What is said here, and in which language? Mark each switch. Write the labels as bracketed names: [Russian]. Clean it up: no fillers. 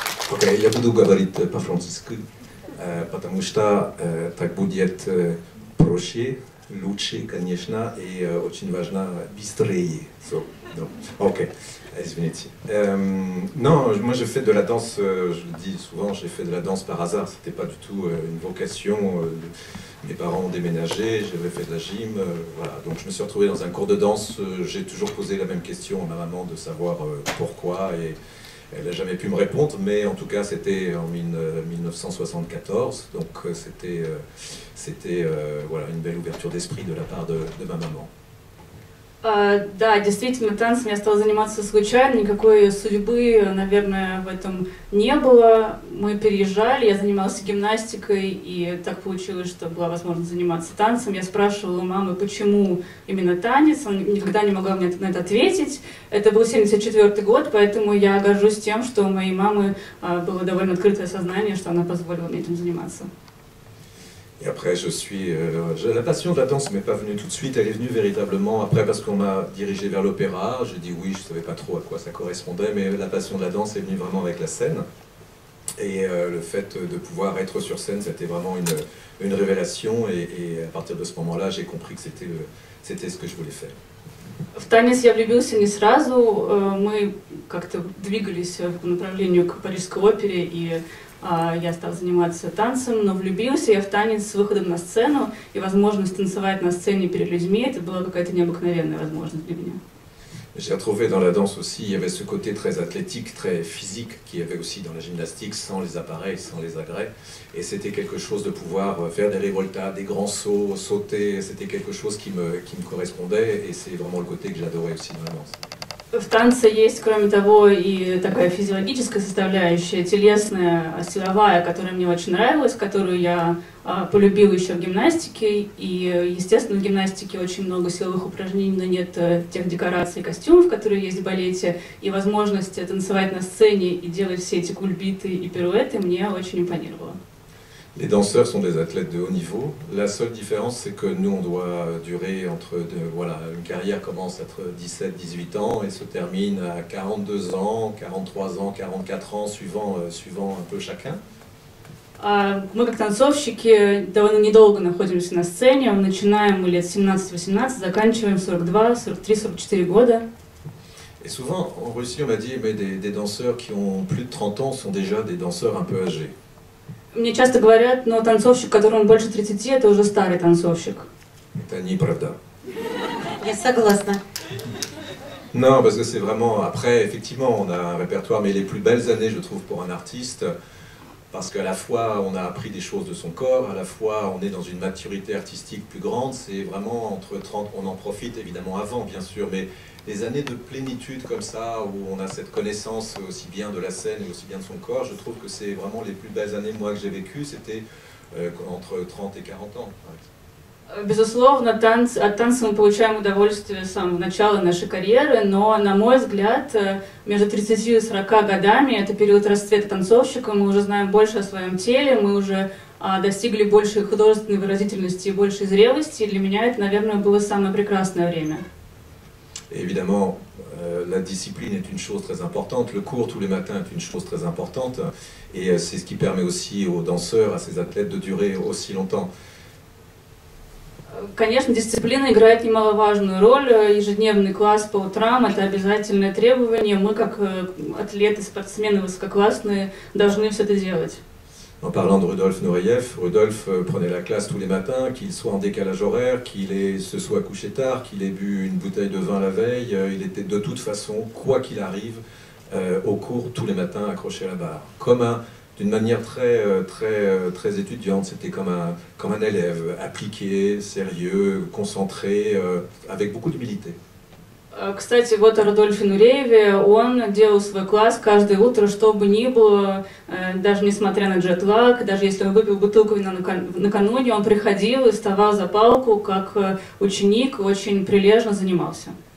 [Russian] Окей, я буду говорить по-французски, потому что так будет проще, лучше, конечно, и очень важно быстрее. Окей, извините. [French] Non, moi j'ai fait de la danse, je le dis souvent, j'ai fait de la danse par hasard, c'était pas du tout une vocation. Mes parents ont déménagé, j'avais fait de la gym, voilà. Donc je me suis retrouvé dans un cours de danse, j'ai toujours posé la même question à ma maman de savoir pourquoi, et elle n'a jamais pu me répondre, mais en tout cas c'était en 1974, donc c'était une belle ouverture d'esprit de la part de ma maman. [Russian] Да, действительно, танцами я стала заниматься случайно, никакой судьбы, наверное, в этом не было. Мы переезжали, я занималась гимнастикой, и так получилось, что была возможность заниматься танцем. Я спрашивала у мамы, почему именно танец, она никогда не могла мне на это ответить. Это был 1974 год, поэтому я горжусь тем, что у моей мамы было довольно открытое сознание, что она позволила мне этим заниматься. [French] Et après, la passion de la danse ne m'est pas venue tout de suite, elle est venue véritablement après parce qu'on m'a dirigé vers l'opéra. J'ai dit oui, je ne savais pas trop à quoi ça correspondait, mais la passion de la danse est venue vraiment avec la scène. Et le fait de pouvoir être sur scène, c'était vraiment une révélation. Et à partir de ce moment-là, j'ai compris que c'était ce que je voulais faire. [Russian] В танец я влюбился не сразу. Мы как-то двигались в направлении к парижской опере, и я стал заниматься танцем, но влюбился я в танец с выходом на сцену, и возможность танцевать на сцене перед людьми, это была какая-то необыкновенная возможность для меня. [French] J'ai retrouvé dans la danse aussi, il y avait ce côté très athlétique, très physique, qu'il y avait aussi dans la gymnastique, sans les appareils, sans les agrès. Et c'était quelque chose de pouvoir faire des révoltades, des grands sauts, sauter, c'était quelque chose qui me correspondait, et c'est vraiment le côté que j'adorais aussi dans la danse. [Russian] В танце есть, кроме того, и такая физиологическая составляющая, телесная, силовая, которая мне очень нравилась, которую я полюбила еще в гимнастике. И, естественно, в гимнастике очень много силовых упражнений, но нет тех декораций и костюмов, которые есть в балете. И возможность танцевать на сцене и делать все эти кульбиты и пируэты мне очень импонировало. [French] Les danseurs sont des athlètes de haut niveau. La seule différence, c'est que nous, on doit durer entre... une carrière commence à être 17-18 ans et se termine à 42 ans, 43 ans, 44 ans, suivant un peu chacun. [Russian] Мы, как танцовщики, довольно недолго находимся на сцене. Мы начинаем лет 17-18, заканчиваем 42, 43, 44 года. [French] Et souvent, en Russie, on m'a dit, mais des danseurs qui ont plus de 30 ans sont déjà des danseurs un peu âgés. [Russian] Мне часто говорят, но танцовщик, которому больше 30, это уже старый танцовщик. Это неправда. Я согласна. [French] Non, parce que c'est vraiment... Après, effectivement, on a un répertoire, mais les plus belles années, je trouve, pour un artiste, parce qu'à la fois, on a appris des choses de son corps, à la fois, on est dans une maturité artistique plus grande, c'est vraiment entre 30... On en profite, évidemment, avant, bien sûr, mais les années de plénitude comme ça, où on a cette connaissance aussi bien de la scène et aussi bien de son corps, je trouve que c'est vraiment les plus belles années, moi, que j'ai vécues, c'était entre 30 et 40 ans. [Russian] Безусловно, от танца мы получаем удовольствие с самого начала нашей карьеры, но, на мой взгляд, между 30 и 40 годами, это период расцвета танцовщика, мы уже знаем больше о своем теле, мы уже достигли большей художественной выразительности и большей зрелости, и для меня это, наверное, было самое прекрасное время. [French] Et évidemment, la discipline est une chose très importante, le cours tous les matins est une chose très importante, et c'est ce qui permet aussi aux danseurs, à ces athlètes de durer aussi longtemps. [Russian] Конечно, дисциплина играет немаловажную роль. Ежедневный класс по утрам – это обязательное требование. Мы, как атлеты, спортсмены высококлассные, должны все это делать. [French] En parlant de Rudolf Nureyev, Rudolf prenait la classe tous les matins, qu'il soit en décalage horaire, qu'il se soit couché tard, qu'il ait bu une bouteille de vin la veille, il était de toute façon, quoi qu'il arrive, au cours tous les matins accroché à la barre. Comme d'une manière très, très, très étudiante, c'était comme un élève, appliqué, sérieux, concentré, avec beaucoup d'humilité. [Russian] Кстати, вот о Рудольфе Нурееве. Он делал свой класс каждое утро, что бы ни было, даже несмотря на джетлаг, даже если он выпил бутылку вина накануне, он приходил и вставал за палку, как ученик, очень прилежно занимался.